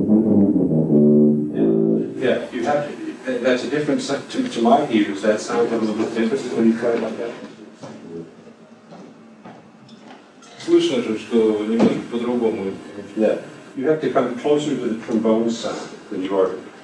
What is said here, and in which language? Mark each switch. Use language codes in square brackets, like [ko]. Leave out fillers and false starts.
[en] Yeah, you have to, that's a different sound to my ears. That sounds a little bit different when you play it like that. [ru] Слышно же, что немножко по-другому. [en] Yeah. You have to come closer to the trombone sound than you are.